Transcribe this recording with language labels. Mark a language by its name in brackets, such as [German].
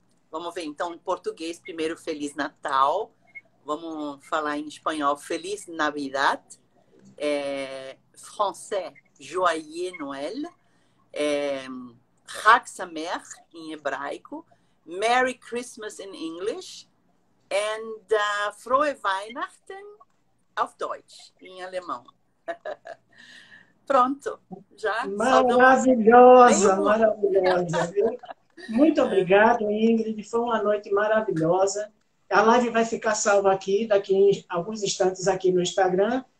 [Portuguese] Vamos ver, então, em português, primeiro, Feliz Natal. Vamos falar em espanhol, Feliz Navidad. Francês, Joyeux Noël. Chag Sameach em hebraico. [English] Merry Christmas in English. [German] And Frohe Weihnachten auf Deutsch, [Portuguese] em alemão. Pronto, já. Maravilhosa, maravilhosa. Muito obrigado, Ingrid. Foi uma noite maravilhosa. A live vai ficar salva aqui, daqui em alguns instantes, aqui no Instagram.